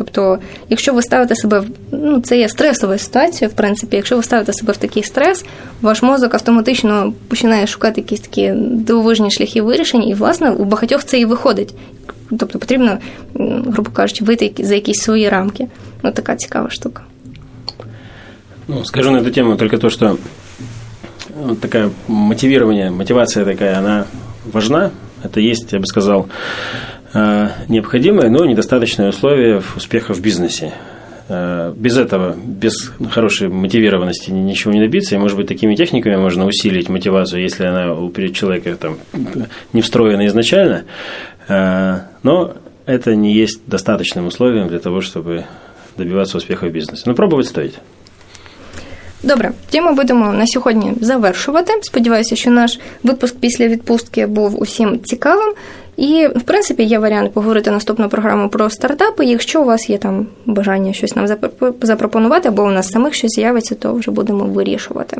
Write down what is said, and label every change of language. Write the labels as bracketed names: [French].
[Ukrainian] Тобто, якщо ви ставите себе, ну, це є стресова ситуація, в принципі, якщо ви ставите себе в такий стрес, ваш мозок автоматично починає шукати якісь такі дивовижні шляхи вирішення, і, власне, у багатьох це і виходить. Тобто потрібно, грубо кажучи, вийти за якісь свої рамки. Ну, така цікава штука. [Russian] Ну, скажу на эту тему только то, что вот такая мотивирование, мотивация такая, она важна. Это есть, я бы сказал, необходимое, но недостаточное условие успеха в бизнесе. Без этого, без хорошей мотивированности ничего не добиться. И, может быть, такими техниками можно усилить мотивацию, если она у человека там не встроена изначально. Но это не есть достаточным условием для того, чтобы добиваться успеха в бизнесе. Но пробовать стоит. [Ukrainian] Добре, тоді ми будемо на сьогодні завершувати. Сподіваюся, що наш випуск після відпустки був усім цікавим. І, в принципі, є варіант поговорити наступну програму про стартапи. Якщо у вас є там бажання щось нам запропонувати, або у нас самих щось з'явиться, то вже будемо вирішувати.